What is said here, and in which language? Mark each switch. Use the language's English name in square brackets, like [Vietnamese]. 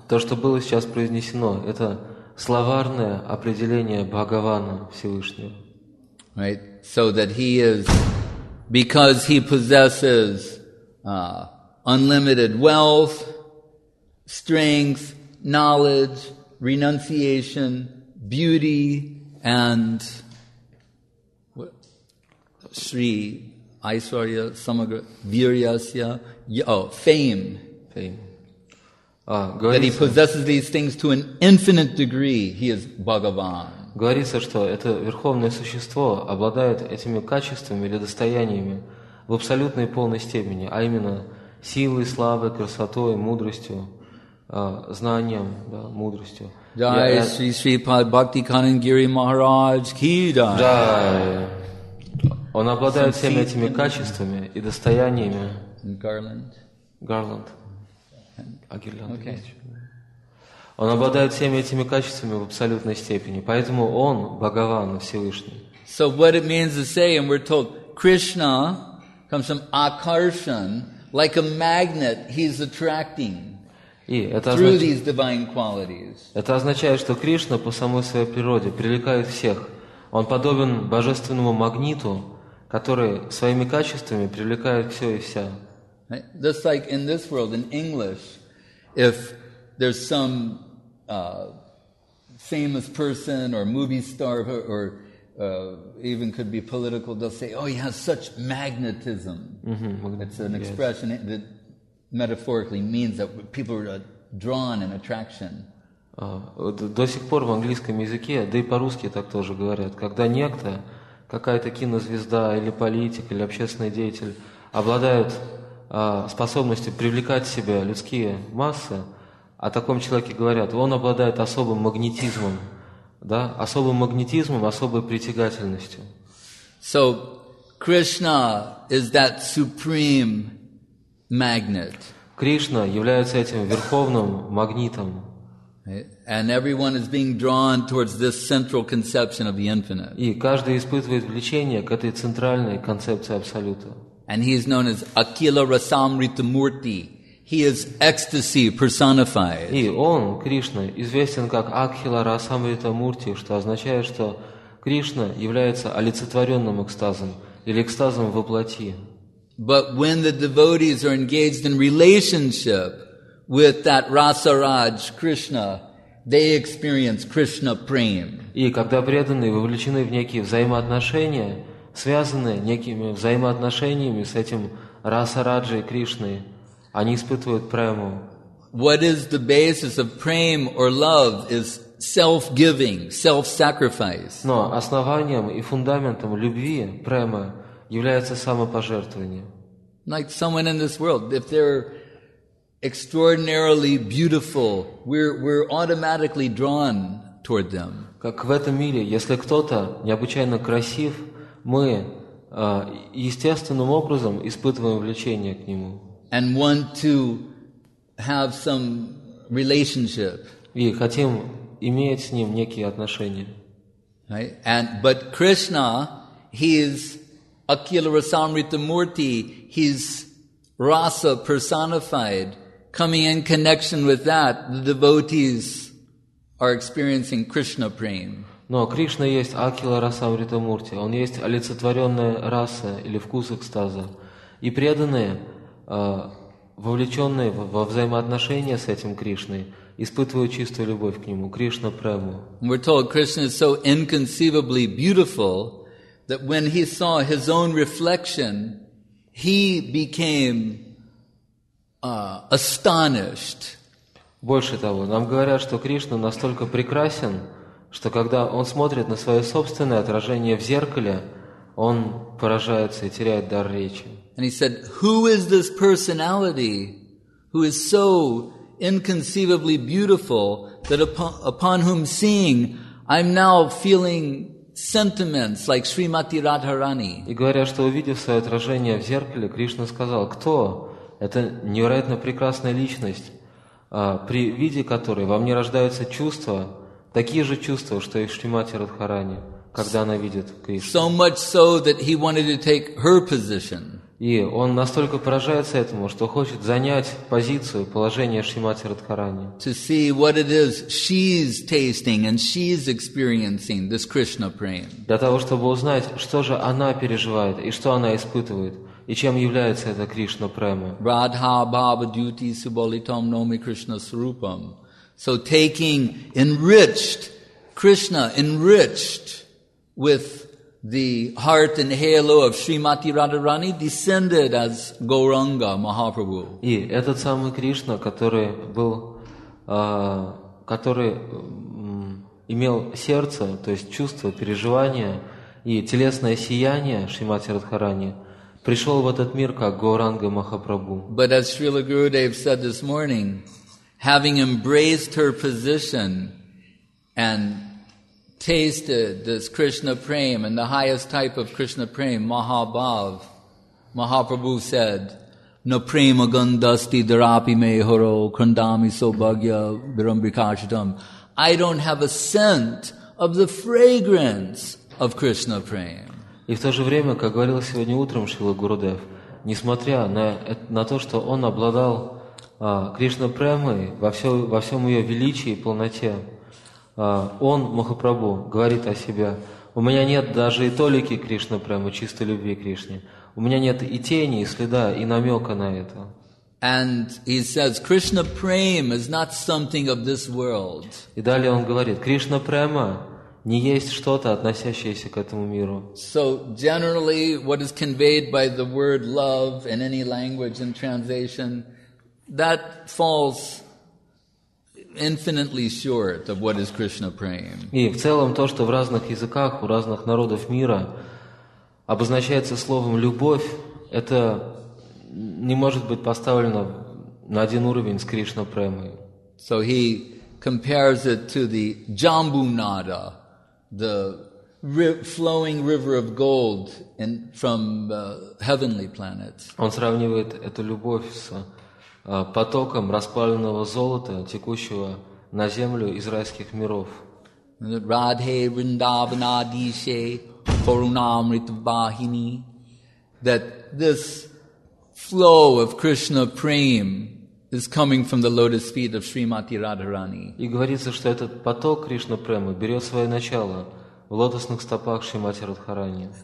[Russian] То, что было сейчас произнесено, это словарное определение Бхагавана Всевышнего. [English] Right, so that he is, because he possesses unlimited wealth, strength, knowledge, renunciation, beauty, and [Sanskrit] Sri Aishwarya Samagra Viryasya, [English] fame. Fame. That he possesses these things to an infinite degree, he is Bhagavan. [Russian] Говорится, что это верховное существо обладает этими качествами или достояниями в абсолютной и полной степени, а именно силой, славой, красотой, мудростью, знанием, да, мудростью. [Sanskrit] Jai Sri Sripad Bhakti Kanangiri Maharaj Ki Jai. [Russian] Он обладает всеми этими качествами и достояниями. [English] Garland. Okay. [Russian] Он обладает всеми этими качествами в абсолютной степени, поэтому он Бхагаван Всевышний. [English] So what it means to say, and we're told, Krishna comes from akarshan, like a magnet, he's attracting through these divine qualities. [Russian] Это означает, что Кришна по самой своей природе привлекает всех. Он подобен божественному магниту, который своими качествами привлекает все и вся. [English] Right? Just like in this world, in English, if there's some famous person or movie star or even could be political, they'll say, oh, he has such magnetism. Mm-hmm. It's an expression, yes, that metaphorically means that people are drawn in attraction. [Russian] До сих пор в английском языке, да и по-русски так тоже говорят, когда некто, какая-то кинозвезда или политик или общественный деятель обладают способностью привлекать в себя людские массы, о таком человеке говорят, он обладает особым магнетизмом, да, особым магнетизмом, особой притягательностью. [English] So, Krishna is that supreme magnet. [Russian] Кришна является этим верховным магнитом. [English] And everyone is being drawn towards this central conception of the infinite. [Russian] И каждый испытывает влечение к этой центральной концепции абсолюта. [English] And he is known as Akila Rasamrita Murti. He is ecstasy personified. [Russian] И он, Кришна, известен как Акхила Расамрита Мурти, что означает, что Кришна является олицетворенным экстазом или экстазом во плоти. [English] But when the devotees are engaged in relationship with that Rasaraj Krishna, they experience Krishna Prem. [Russian] И когда преданные вовлечены в некие взаимоотношения, связанные некими взаимоотношениями с этим Расараджей Кришной, они испытывают прему. [English] What is the basis of prema or love is self-giving, self-sacrifice. [Russian] Но основанием и фундаментом любви, премы, является самопожертвование. [English] Like someone in this world, if they're extraordinarily beautiful, we're automatically drawn toward them. [Russian] Как в этом мире, если кто-то необычайно красив, мы естественным образом испытываем влечение к нему. [English] And want to have some relationship. [Russian] И хотим иметь с ним некие отношения. [English] Right? But Krishna, he is Akila Rasamrita Murti, he's rasa personified. Coming in connection with that, the devotees are experiencing Krishna prem. [Russian] Но Кришна есть Акила Расамрита Мурти. Он есть олицетворенная раса или вкус экстаза. И преданные, вовлеченные во взаимоотношения с этим Кришной, испытывают чистую любовь к нему, Кришна прему. [English] We're told Krishna is so inconceivably beautiful that when he saw his own reflection, he became astonished. [Russian] Больше того, нам говорят, что Кришна настолько прекрасен, что когда он смотрит на свое собственное отражение в зеркале, он поражается и теряет дар речи. [English] And he said, "Who is this personality who is so inconceivably beautiful that upon whom seeing, I'm now feeling sentiments like Srimati Radharani?" [Russian] И говоря, что увидев свое отражение в зеркале, Кришна сказал, кто это невероятно прекрасная личность, при виде которой во мне рождаются чувства, такие же чувства, что и Шримати Радхарани, когда она видит Кришну. [English] So much so that he wanted to take her position. [Russian] И он настолько поражается этому, что хочет занять позицию, положение Шримати Радхарани. [English] To see what it is she's tasting and she's experiencing this Krishna prem. [Russian] Для того, чтобы узнать, что же она переживает и что она испытывает. И чем является эта Кришна према? [Sanskrit] Radha Bhava Duti Subalitam Nomi Krishna Srupam. [English] So taking enriched Krishna, enriched with the heart and halo of Srimati Radharani, descended as Gauranga Mahaprabhu. [Russian] И этот самый Кришна, который имел сердце, то есть чувство, переживание и телесное сияние Шримати Радхарани, пришел в этот мир как Гауранга Махапрабху. [English] But as Srila Gurudev said this morning, having embraced her position and tasted this Krishna prem and the highest type of Krishna prem, Mahabhav, Mahaprabhu said, [Sanskrit] "Na prema gandasti darapi me horo krandami so bhagya virambrikashitam." [English] I don't have a scent of the fragrance of Krishna prem. [Russian] И в то же время, как говорил сегодня утром Шрила Гурудев, несмотря на то, что он обладал Кришна-премой во всем ее величии и полноте, он, Махапрабху, говорит о себе: «У меня нет даже и толики Кришна-премы, чистой любви к Кришне. У меня нет и тени, и следа, и намека на это». [English] And he says, Krishna prema is not something of this world. [Russian] И далее он говорит, Кришна-према не есть что-то, относящееся к этому миру. [English] So generally, what is conveyed by the word love in any language and translation, that falls infinitely short of what is Krishna prema. [Russian] И в целом то, что в разных языках у разных народов мира обозначается словом любовь, это не может быть поставлено на один уровень с Кришна премой. [English] So he compares it to the Jambunada, the flowing river of gold in, from heavenly planets. [Russian] Он сравнивает эту любовь с потоком распаленного золота, текущего на землю из райских миров. [Sanskrit] Radhe Vrindavana Dishe Karunamrita Vahini. [English] That this flow of Krishna prem is coming from the lotus feet of Srimati Radharani. [Russian] И говорится, что этот поток Кришна премы берет свое начало в лотосных стопах Шримати Радхарани.